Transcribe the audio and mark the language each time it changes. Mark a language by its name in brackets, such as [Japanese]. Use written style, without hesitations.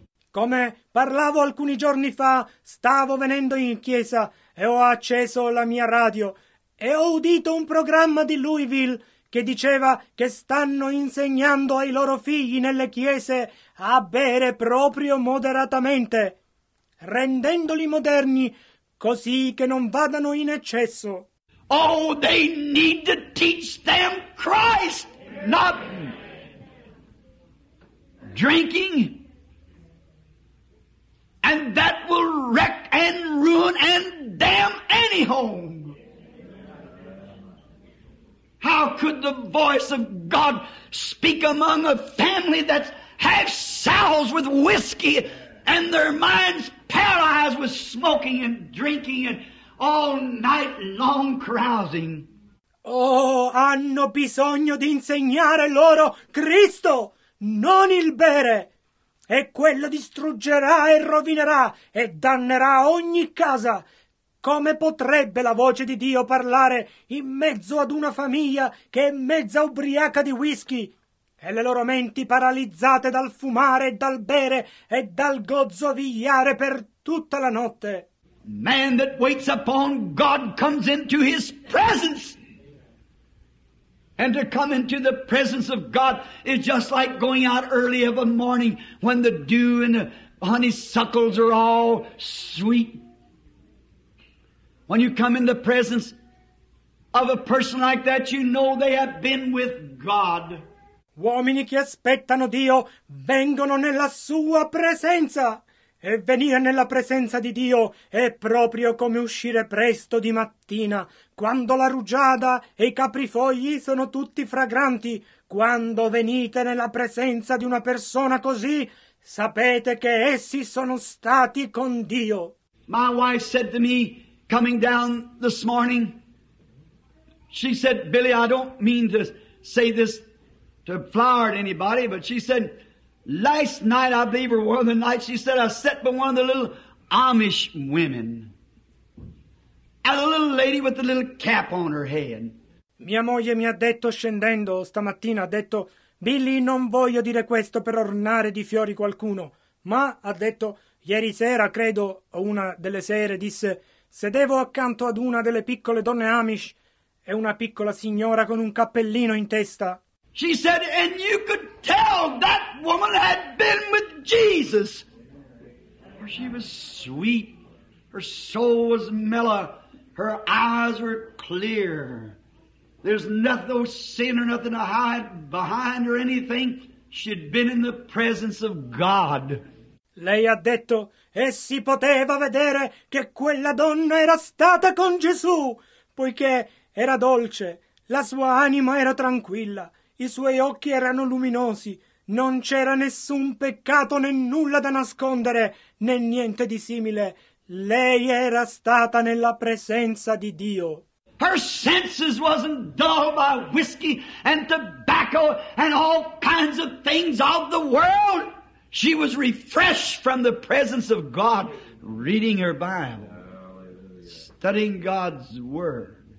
[Italian] Come parlavo alcuni giorni fa, stavo venendo in chiesa e ho acceso la mia radio e ho udito un programma di Louisville che diceva che stanno insegnando ai loro figli nelle chiese a bere proprio moderatamente, rendendoli moderni così che non vadano in eccesso. [English] Oh, they need to teach them Christ, not drinking, and that will wreck and ruin and damn any home. How could the voice of God speak among a family that's half sows with whiskey and their minds paralyzed with smoking and drinking and all night long carousing? [Italian] Oh, hanno bisogno di insegnare loro Cristo, non il bere. E quello distruggerà e rovinerà e dannerà ogni casa. Come potrebbe la voce di Dio parlare in mezzo ad una famiglia che è mezza ubriaca di whisky e le loro menti paralizzate dal fumare e dal bere e dal gozzo vigliare per tutta la notte? [English] Man that waits upon God comes into His presence. And to come into the presence of God is just like going out early of a morning when the dew and the honeysuckles are all sweet. When you come in the presence of a person like that, you know they have been with God. [Italian] Uomini che aspettano Dio vengono nella sua presenza. E venire nella presenza di Dio è proprio come uscire presto di mattina, quando la rugiada e i caprifogli sono tutti fragranti. Quando venite nella presenza di una persona così, sapete che essi sono stati con Dio. [English] My wife said to me, coming down this morning, she said, Billy, I don't mean to say this to flower at anybody, but she said, last night, I believe, or one of the nights, she said, I sat by one of the little Amish women. And a little lady with a little cap on her head. [Italian] Mia moglie mi ha detto, scendendo stamattina, ha detto, Billy, non voglio dire questo per ornare di fiori qualcuno. Ma, ha detto, ieri sera, credo, o una delle sere, disse, sedevo accanto ad una delle piccole donne Amish e una piccola signora con un cappellino in testa. [English] She said, and you could tell that woman had been with Jesus. For she was sweet. Her soul was mellow. Her eyes were clear. There's nothing, no sin or nothing to hide behind or anything. She'd been in the presence of God. [Italian] Lei ha detto, e si poteva vedere che quella donna era stata con Gesù, poiché era dolce, la sua anima era tranquilla. I suoi occhi erano luminosi, non c'era nessun peccato né nulla da nascondere, né niente di simile. Lei era stata nella presenza di Dio. [English] Her senses wasn't dulled by whiskey and tobacco. tobacco and all kinds of things of the world. She was refreshed from the presence of God, reading her Bible, studying God's Word.